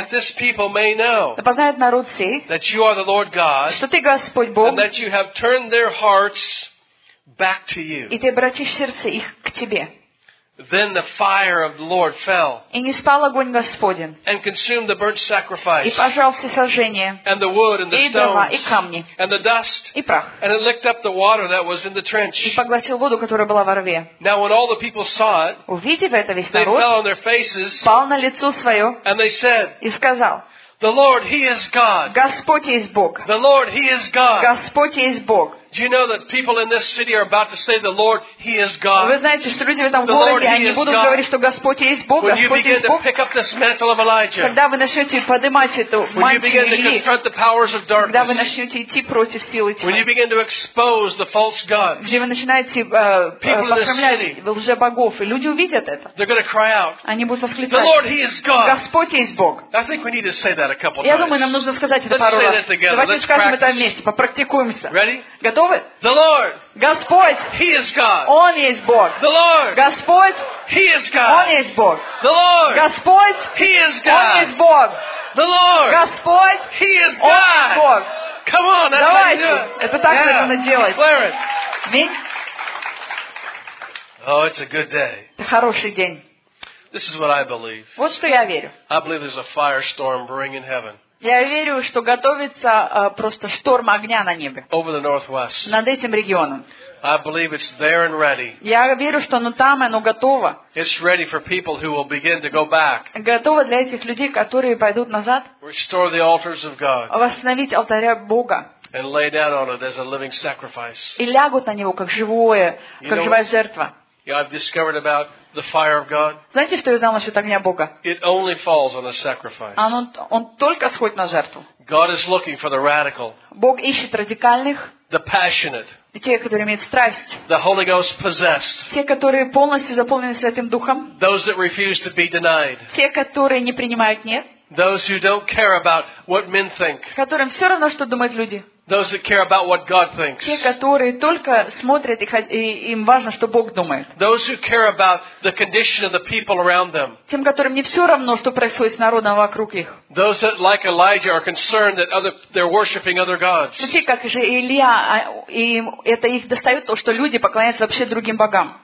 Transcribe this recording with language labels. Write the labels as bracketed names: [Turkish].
[English] That this people may know, [Russian] да познают народ сей, [English] that you are the Lord God, [Russian] что ты Господь Бог, [English] and that you have turned their hearts back to you. [Russian] И ты обратишь сердце их к тебе. [English] Then the fire of the Lord fell. [Russian] И не спал огонь Господень. [English] And consumed the burnt sacrifice. [Russian] И пожрал все сожжение. [English] And the wood and the stones. [Russian] И дрова, и камни. [English] And the dust. [Russian] И прах. [English] And it licked up the water that was in the trench. [Russian] И поглотил воду, которая была во рве. [English] Now when all the people saw it, [Russian] увидев это весь народ, [English] they fell on their faces. [Russian] Пал на лицо свое. [English] And they said, [Russian] и сказал, [English] the Lord, He is God. [Russian] Господь есть Бог. [English] The Lord, He is God. [Russian] Господь есть Бог. [English] Do you know that people in this city are about to say, "The Lord, He is God." [Russian] Вы знаете, что люди в этом городе, они будут говорить, что Господь есть Бог, Господь есть Бог. [English] When you begin to pick up this mantle of Elijah, [Russian] когда вы начнете поднимать эту мантию Илии, [English] when you begin to confront the powers of darkness, [Russian] когда вы начнете идти против силы тьмы, [English] when you begin to expose the false gods, [Russian] где вы начинаете подкрамлять лжебогов, и люди увидят это, [English] they're going to cry out, [Russian] они будут восклицать, [English] "The Lord, He is God." [Russian] Господь есть Бог. [English] I think we need to say that a couple times. [Russian] Я думаю, нам нужно сказать это пару раз. [English] Let's say that together. [Russian] Давайте скажем это вместе, попрактикуемся. [English] Ready? [Russian] Готовы? [English] The Lord. [Russian] Господь. [English] He is God. [Russian] Он есть Бог. [English] The Lord. [Russian] Господь. [English] He is God. [Russian] Он есть Бог. [English] The Lord. [Russian] Господь. [English] He is God. [Russian] Он есть Бог. [English] The Lord. [Russian] Господь. [English] He is God. [Russian] Он есть Бог. [English] Come on, that's [Russian] давайте. [English] How you do it. [Russian] Это так [English] yeah. [Russian] Нужно делать. [English] Declare it. Me? Oh, it's a good day. [Russian] Это хороший день. [English] This is what I believe. [Russian] Вот что я верю. [English] I believe there's a firestorm brewing in heaven. [Russian] Я верю, что готовится просто шторм огня на небе. [English] Over the Northwest. [Russian] Над этим регионом. [English] I believe it's there and ready. [Russian] Я верю, что оно там, оно готово. [English] It's ready for people who will begin to go back. [Russian] Готово для этих людей, которые пойдут назад. [English] Restore the altars of God. [Russian] Восстановить алтаря Бога. [English] And lay down on it as a living sacrifice. [Russian] И лягут на него как живое, как живая жертва. [English] I've discovered about the fire of God. [Russian] Знаете, что я знала насчет огня Бога? [English] It only falls on a sacrifice. [Russian] Он только сходит на жертву. [English] God is looking for the radical. [Russian] Бог ищет радикальных. [English] The passionate. [Russian] Те, которые имеют страсть. [English] The Holy Ghost possessed. [Russian] Те, которые полностью заполнены Святым Духом. [English] Those that refuse to be denied. [Russian] Те, которые не принимают нет. [English] Those who don't care about what men think. [Russian] Которым все равно, что думают люди. [English] Those that care about what God thinks. [Russian] Те, которые только смотрят и им важно, что Бог думает. [English] Those who care about the condition of the people around them. [Russian] Тем, которым не все равно, что происходит с народом вокруг их. [English] Those that, like Elijah, are concerned that they're worshiping other gods. [Russian] Те, как же Илия, и это их достает то, что люди поклоняются вообще другим богам.